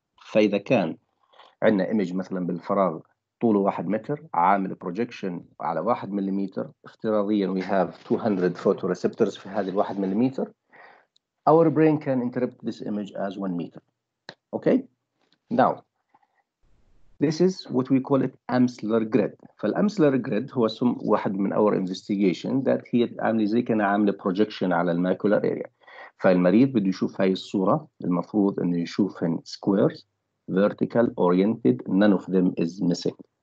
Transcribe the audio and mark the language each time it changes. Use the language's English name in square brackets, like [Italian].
[Arabic] فإذا كان عندنا image مثلا بالفراغ طوله 1 متر، عامل projection على 1 مليمتر، افتراضيا [English] we have 200 photoreceptors [Arabic] في هذه الواحد مليمتر، [English] our brain can interpret this image as 1 meter. Okay? Now, this is what we call it Amsler grid. [Arabic] فال Amsler grid هو واحد من [English] our investigation that [Arabic] هي عاملة زي كان عاملة projection على المايكولار area. فالمريض بده يشوف هاي الصورة، المفروض انه يشوفهن [English] squares, vertical, oriented, none of them is missing.